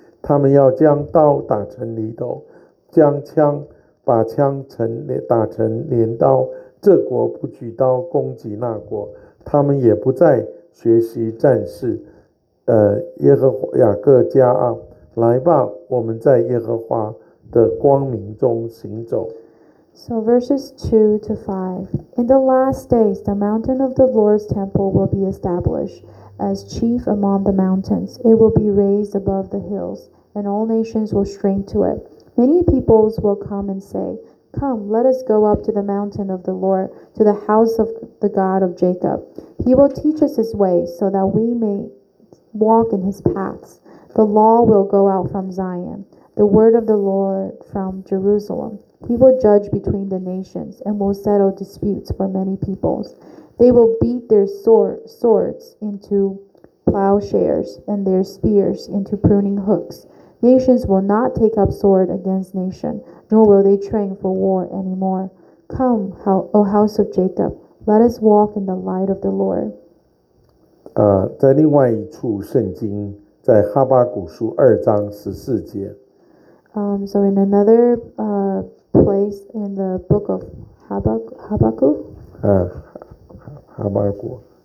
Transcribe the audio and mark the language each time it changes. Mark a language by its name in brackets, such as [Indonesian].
[Chinese] 他们要将刀打成犁头，将枪把枪成打成镰刀。这国不举刀攻击那国，他们也不再学习战士。耶和华雅各家啊，来吧，我们在耶和华的光明中行走。 [English] So verses 2-5. In the last days, the mountain of the Lord's temple will be established. As chief among the mountains, it will be raised above the hills, and all nations will shrink to it. Many peoples will come and say, Come, let us go up to the mountain of the Lord, to the house of the God of Jacob. He will teach us his way, so that we may walk in his paths. The law will go out from Zion, the word of the Lord from Jerusalem. He will judge between the nations, and will settle disputes for many peoples. They will beat their swords into plowshares and their spears into pruning hooks. Nations will not take up sword against nation, nor will they train for war anymore. Come, O house of Jacob, let us walk in the light of the Lord. [Chinese] 在另外一处圣经，在哈巴谷书二章十四节。 [English] So in another place in the book of Habakkuk.